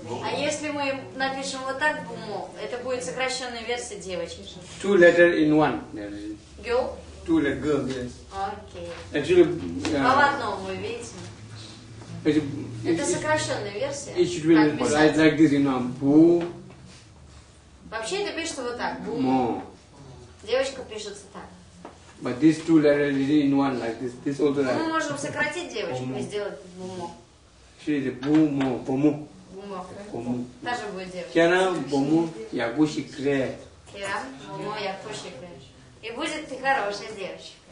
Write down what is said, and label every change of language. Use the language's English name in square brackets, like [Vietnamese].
[Russian] А если мы напишем вот так бомо, это будет сокращенная версия девочки. [English] Two letters in one. Girl? Two letters, girl, yes. Okay. Actually, [Russian] в одном, вы видите? Это сокращенная версия. [English] It should be like, but like this, you know, bu. [Russian] Вообще это пишется вот так. Мо. Девочка пишется так. [English] But these two letters in one like this. This also like. [Russian] Мы можем сократить девочку и сделать бумо. Шире бумо, бумо. Бумо. Бумо. Та же будет девочка. [Tibetan] Керам бумо ягуши кре. Керам бумо ягуши кре. [Russian] И будет ты хорошая девочка.